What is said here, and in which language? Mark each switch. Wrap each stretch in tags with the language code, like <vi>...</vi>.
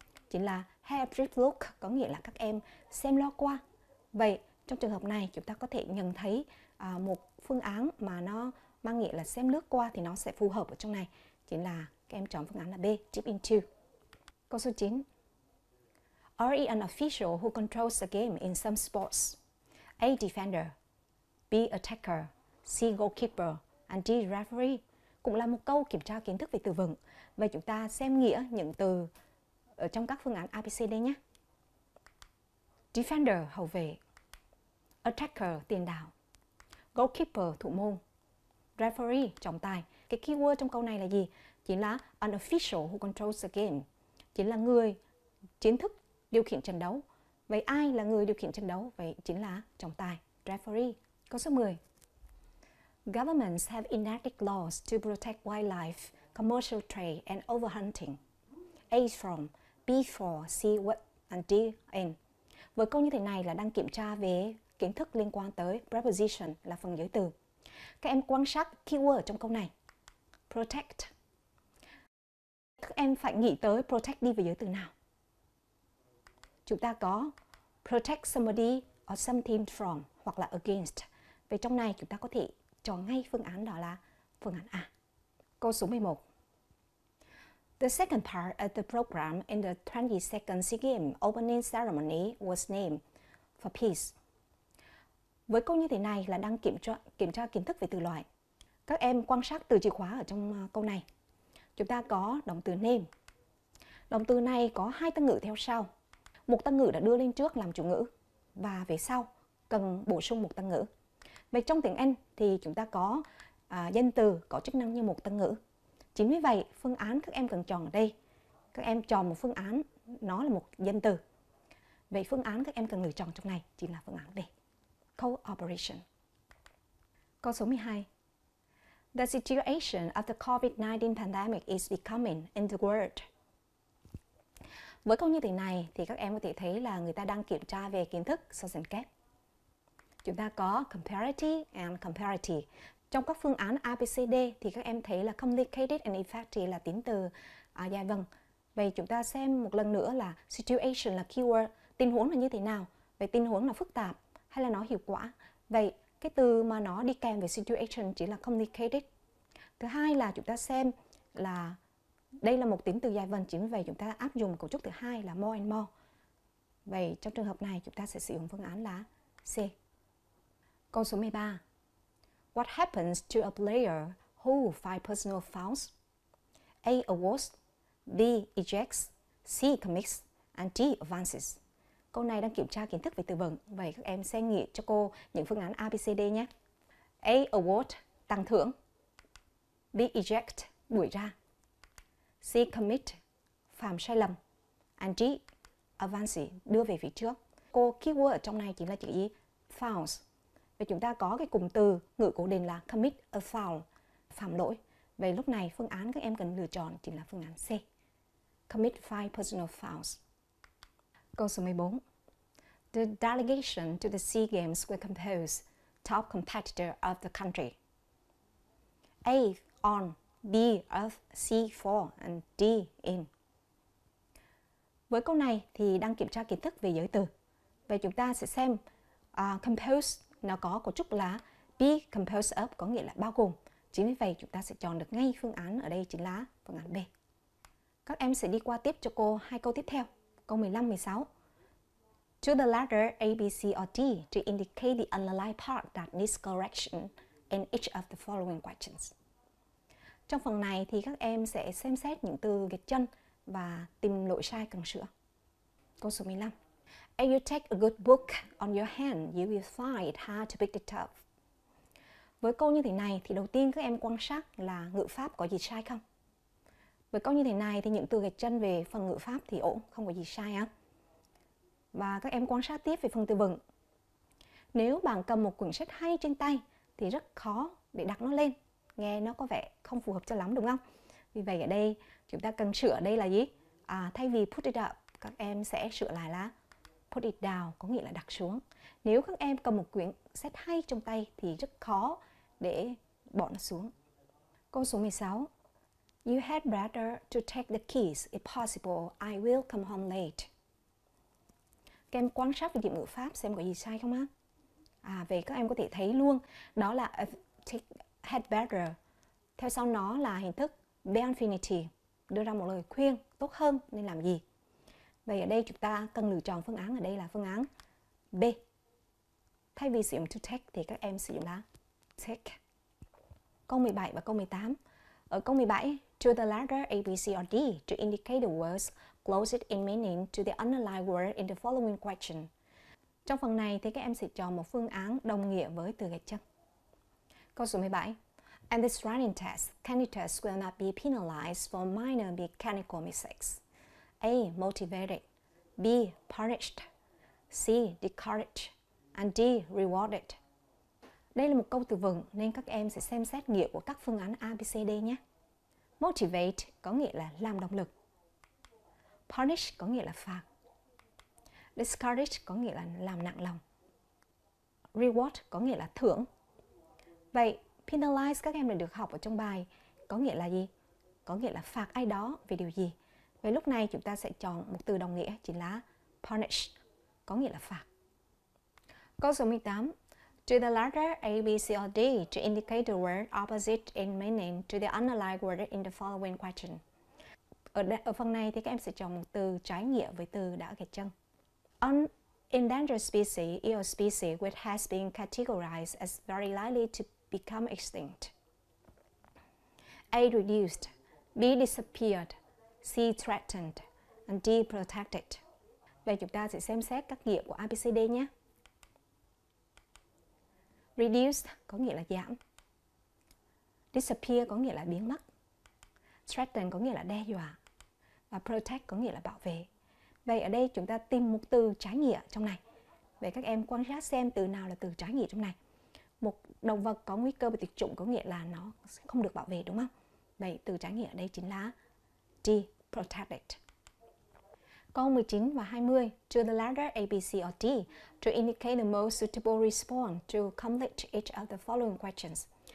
<vi>Chính là</vi> <en>have a brief look,</en> <vi>có nghĩa là các em xem lo qua. Vậy trong trường hợp này chúng ta có thể nhận thấy một phương án mà nó mang nghĩa là xem lướt qua thì nó sẽ phù hợp ở trong này. Chính là các em chọn phương án là B,</vi> <en>dip into.</en> <vi>Câu số 9.</vi> <en>Are you an official who controls the game in some sports? A. Defender. B. Attacker. C. Goalkeeper. And D. Referee.</en> <vi>Cũng là một câu kiểm tra kiến thức về từ vựng. Vậy chúng ta xem nghĩa những từ ở trong các phương án ABCD nhé. Defender, hậu vệ. Attacker, tiền đạo. Goalkeeper, thủ môn. Referee, trọng tài. Cái keyword trong câu này là gì? Chính là</vi> <en>an official who controls the game.</en> <vi>Chính là người chính thức điều khiển trận đấu. Vậy ai là người điều khiển trận đấu? Vậy chính là trọng tài, referee. Câu số 10.</vi> <en>Governments have enacted laws to protect wildlife, commercial trade and overhunting. A from, B for, C what and D in.</en> <vi>Với câu như thế này là đang kiểm tra về kiến thức liên quan tới preposition là phần giới từ. Các em quan sát keyword trong câu này. Protect. Các em phải nghĩ tới protect đi về giới từ nào? Chúng ta có</vi> <en>protect somebody or something from</en> <vi>hoặc là against. Vậy trong này chúng ta có thể cho ngay phương án đó là phương án A. Câu số 11.</vi> <en>The second part of the program in the 22nd SEA Games opening ceremony was named for peace.</en> <vi>Với câu như thế này là đang kiểm tra kiến thức về từ loại. Các em quan sát từ chìa khóa ở trong câu này. Chúng ta có động từ name. Động từ này có hai tân ngữ theo sau. Một tân ngữ đã đưa lên trước làm chủ ngữ và về sau cần bổ sung một tân ngữ. Vậy trong tiếng Anh thì chúng ta có danh từ có chức năng như một tân ngữ. Chính vì vậy, phương án các em cần chọn ở đây. Các em chọn một phương án, nó là một danh từ. Vậy phương án các em cần lựa chọn trong này chính là phương án đây. Cooperation. Câu số 12.</vi> <en>The situation of the COVID-19 pandemic is becoming in the world.</en> <vi>Với câu như thế này thì các em có thể thấy là người ta đang kiểm tra về kiến thức so sánh kép. Chúng ta có</vi> <en>comparative and comparative.</en> <vi>Trong các phương án ABCD thì các em thấy là</vi> <en>complicated and effective</en> <vi>là tính từ dài vần. Vậy chúng ta xem một lần nữa là situation là keyword, tình huống là như thế nào? Vậy tình huống là phức tạp hay là nó hiệu quả? Vậy cái từ mà nó đi kèm với situation chỉ là complicated. Thứ hai là chúng ta xem là đây là một tính từ dài vần, chính vì vậy chúng ta áp dụng cấu trúc thứ hai là</vi> <en>more and more.</en> <vi>Vậy trong trường hợp này chúng ta sẽ sử dụng phương án là C. Câu số 13.</vi> <en>What happens to a player who files personal fouls? A. Awards. B. Ejects. C. Commits. And D. Advances.</en> <vi>Câu này đang kiểm tra kiến thức về từ vựng. Vậy các em sẽ nghĩ cho cô những phương án A, B, C, D nhé. A. Award. Tặng thưởng. B. Eject. Đuổi ra. C. Commit. Phạm sai lầm. And D. Advances. Đưa về phía trước. Cô keyword ở trong này chính là chữ gì? Fouls. Vậy chúng ta có cái cụm từ ngữ cố định là</vi> <en>commit a foul,</en> <vi>phạm lỗi. Vậy lúc này phương án các em cần lựa chọn chính là phương án C.</vi> <en>Commit five personal fouls.</en> <vi>Câu số 14.</vi> <en>The delegation to the SEA Games were composed top competitor of the country. A. On. B. Of. C. For. And D. In.</en> <vi>Với câu này thì đang kiểm tra kiến thức về giới từ. Vậy chúng ta sẽ xem composed. Nó có cấu trúc là</vi> <en>be composed of,</en> <vi>có nghĩa là bao gồm. Chính vì vậy chúng ta sẽ chọn được ngay phương án ở đây chính là phương án B. Các em sẽ đi qua tiếp cho cô hai câu tiếp theo. Câu 15, 16.</vi> <en>Choose the letter A, B, C or D to indicate the underlying part that needs correction in each of the following questions.</en> <vi>Trong phần này thì các em sẽ xem xét những từ gạch chân và tìm lỗi sai cần sửa. Câu số 15.</vi> <en>If you take a good book on your hand, you will find it hard to pick it up.</en> <vi>Với câu như thế này thì đầu tiên các em quan sát là ngữ pháp có gì sai không? Với câu như thế này thì những từ gạch chân về phần ngữ pháp thì ổn, không có gì sai á. Và các em quan sát tiếp về phần từ vựng. Nếu bạn cầm một quyển sách hay trên tay thì rất khó để đặt nó lên, nghe nó có vẻ không phù hợp cho lắm đúng không? Vì vậy ở đây chúng ta cần sửa đây là gì? Thay vì</vi> <en>put it up,</en> <vi>các em sẽ sửa lại là</vi> <en>put it down,</en> <vi>có nghĩa là đặt xuống. Nếu các em cầm một quyển sách hay trong tay thì rất khó để bỏ nó xuống. Câu số 16.</vi> <en>You had better to take the keys if possible. I will come home late.</en> <vi>Các em quan sát về điểm ngữ pháp xem có gì sai không á? Vậy các em có thể thấy luôn đó là had better. Theo sau nó là hình thức be infinitive, đưa ra một lời khuyên tốt hơn nên làm gì. Vậy ở đây chúng ta cần lựa chọn phương án ở đây là phương án B. Thay vì sử dụng to take thì các em sử dụng là take. Câu 17 và câu 18. Ở câu 17,</vi> <en>choose the letter A, B, C or D to indicate the words closest in meaning to the underlying word in the following question.</en> <vi>Trong phần này thì các em sẽ chọn một phương án đồng nghĩa với từ gạch chân. Câu số 17.</vi> <en>And this writing test, candidates will not be penalized for minor mechanical mistakes. A. Motivated. B. Punished. C. Discouraged. And D. Rewarded.</en> <vi>Đây là một câu từ vựng nên các em sẽ xem xét nghĩa của các phương án A, B, C, D nhé. Motivate có nghĩa là làm động lực. Punish có nghĩa là phạt. Discouraged có nghĩa là làm nặng lòng. Reward có nghĩa là thưởng. Vậy, penalize các em đã được học ở trong bài có nghĩa là gì? Có nghĩa là phạt ai đó vì điều gì? Vậy lúc này chúng ta sẽ chọn một từ đồng nghĩa chính là punish, có nghĩa là phạt. Câu số 18.</vi> <en>Do the letter A, B, C or D to indicate the word opposite in meaning to the underlying word in the following question?</en> <vi>Ở phần này thì các em sẽ chọn một từ trái nghĩa với từ đã kể trên.</vi> <en>An endangered species is a species which has been categorized as very likely to become extinct. A. Reduced. B. Disappeared. C. Threatened. And D. Protected.</en> <vi>Vậy chúng ta sẽ xem xét các nghĩa của ABCD nhé. Reduced có nghĩa là giảm. Disappear có nghĩa là biến mất. Threatened có nghĩa là đe dọa. Và protect có nghĩa là bảo vệ. Vậy ở đây chúng ta tìm một từ trái nghĩa trong này. Vậy các em quan sát xem từ nào là từ trái nghĩa trong này. Một động vật có nguy cơ bị tuyệt chủng có nghĩa là nó sẽ không được bảo vệ, đúng không? Vậy từ trái nghĩa ở đây chính là D, protected. Câu 19 và 20.</vi> <en>To the letter A, B, C or D to indicate the most suitable response to complete each of the following questions.</en>